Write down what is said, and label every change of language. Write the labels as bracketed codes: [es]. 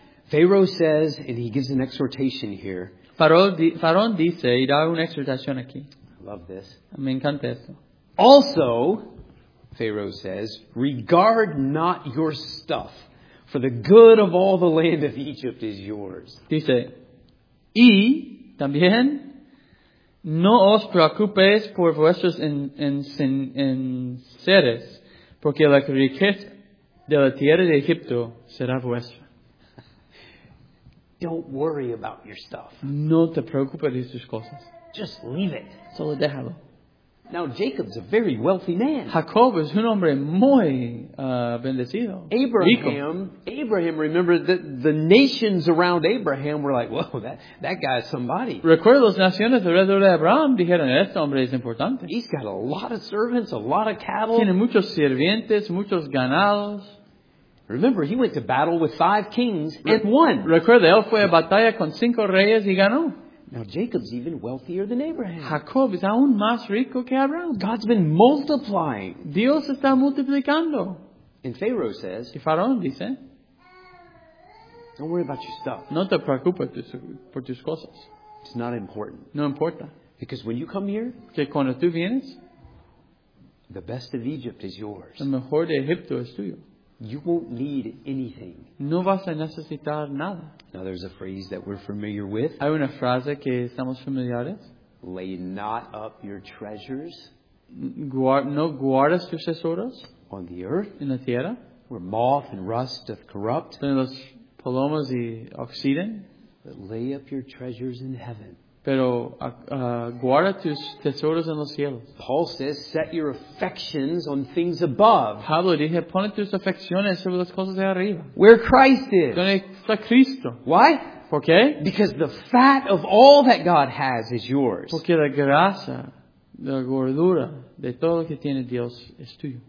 [en] Pharaoh says, and he gives an exhortation here. [es] Faraón dice, y da una exhortación aquí. [en] I love this. [es] Me encanta esto. [en] Also, Pharaoh says, regard not your stuff. for the good of all the land of Egypt is yours. [es] Dice, y también no os preocupéis por vuestros enseres, porque la riqueza de la tierra de Egipto será vuestra. [en] Don't worry about your stuff. [es] No te preocupes de sus cosas. [en] Just leave it. [es] Solo déjalo. [en] Now Jacob's a very wealthy man. [es] Jacob es un hombre muy bendecido. [en] Abraham, remember that the nations around Abraham were like, whoa, that guy's somebody. [es] Recuerda las naciones alrededor de Abraham dijeron, este hombre es importante. [en] He's got a lot of servants, a lot of cattle. [es] Tiene muchos sirvientes, muchos ganados. [en] Remember, he went to battle with five kings and won. [es] Recuerda, él fue a batalla con cinco reyes y ganó. [en] Now Jacob's even wealthier than Abraham. [es] Jacob es aún más rico que Abraham. [en] God's been multiplying. [es] Dios está multiplicando. [en] And Pharaoh says, [es] y Faraón dice, [en] don't worry about your stuff. [es] No te preocupes por tus cosas. [en] It's not important. [es] No importa. [en] Because when you come here, [es] que cuando tú vienes, [en] the best of Egypt is yours. [es] El mejor de Egipto es tuyo. [en] You won't need anything. [es] No vas a necesitar nada. [en] Now there's a phrase that we're familiar with. [es] Hay una frase que estamos familiares. [en] Lay not up your treasures. [es] No guardes tus tesoros. [en] On the earth. [es] En la tierra. [en] Where moth and rust doth corrupt. [es] En las palomas y oxiden. [en] But lay up your treasures in heaven. [es] Pero guarda tus tesoros en los cielos. [en] Paul says, set your affections on things above. [es] Pablo dice, pon tus afecciones sobre las cosas de arriba. [en] Where Christ is. [es] Donde está Cristo. [en] Why? [es] ¿Por qué? [en] Because the fat of all that God has is yours. [es] Porque la grasa, la gordura de todo lo que tiene Dios es tuyo.